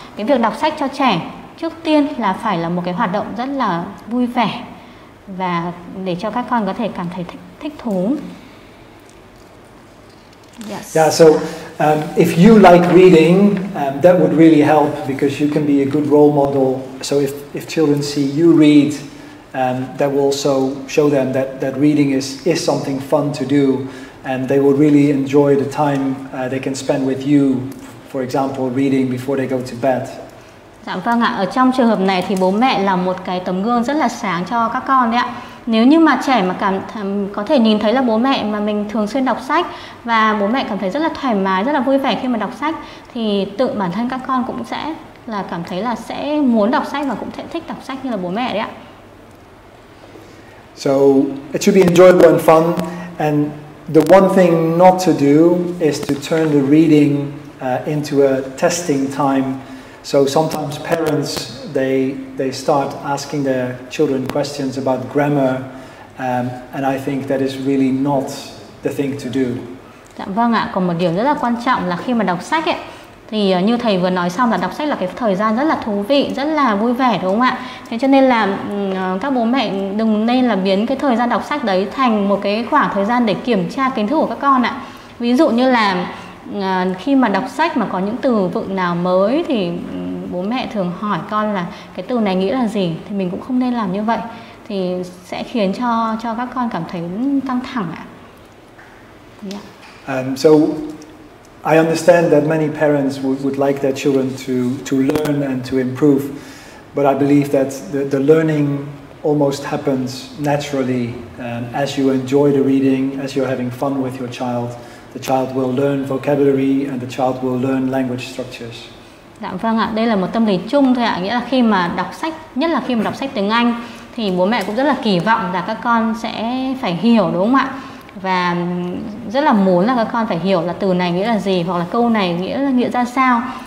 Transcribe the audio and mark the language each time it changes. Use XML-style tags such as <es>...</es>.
<vi>Cái việc đọc sách cho trẻ trước tiên là phải là một cái hoạt động rất là vui vẻ, và để cho các con có thể cảm thấy thích thú.</vi> <en>Yes. Yeah, so if you like reading, that would really help, because you can be a good role model. So if children see you read, that will also show them that reading is something fun to do, and they will really enjoy the time they can spend with you, for example, reading before they go to bed.</en> <vi>Dạ vâng ạ, ở trong trường hợp này thì bố mẹ là một cái tấm gương rất là sáng cho các con đấy ạ. Nếu như mà trẻ mà cảm có thể nhìn thấy là bố mẹ mà mình thường xuyên đọc sách, và bố mẹ cảm thấy rất là thoải mái, rất là vui vẻ khi mà đọc sách, thì tự bản thân các con cũng sẽ là cảm thấy là sẽ muốn đọc sách và cũng sẽ thích đọc sách như là bố mẹ đấy ạ.</vi> <en>So it should be enjoyable and fun, and the one thing not to do is to turn the reading into a testing time. So sometimes parents they start asking their children questions about grammar, and I think that is really not the thing to do.</en> <vi>Dạ vâng ạ, còn một điều rất là quan trọng là khi mà đọc sách ấy, thì như thầy vừa nói xong là đọc sách là cái thời gian rất là thú vị, rất là vui vẻ đúng không ạ? Thế cho nên là các bố mẹ đừng nên là biến cái thời gian đọc sách đấy thành một cái khoảng thời gian để kiểm tra kiến thức của các con ạ. Ví dụ như là khi mà đọc sách mà có những từ vựng nào mới thì bố mẹ thường hỏi con là cái từ này nghĩa là gì, thì mình cũng không nên làm như vậy, thì sẽ khiến cho các con cảm thấy căng thẳng ạ.</vi> <en>So I understand that many parents would like their children to learn and to improve, but I believe that the learning almost happens naturally as you enjoy the reading, as you're having fun with your child. The child will learn vocabulary and the child will learn language structures.</en> <vi>Dạ vâng ạ, đây là một tâm lý chung thôi ạ, nghĩa là khi mà đọc sách, nhất là khi mà đọc sách tiếng Anh, thì bố mẹ cũng rất là kỳ vọng là các con sẽ phải hiểu đúng không ạ? Và rất là muốn là các con phải hiểu là từ này nghĩa là gì, hoặc là câu này nghĩa ra sao.</vi>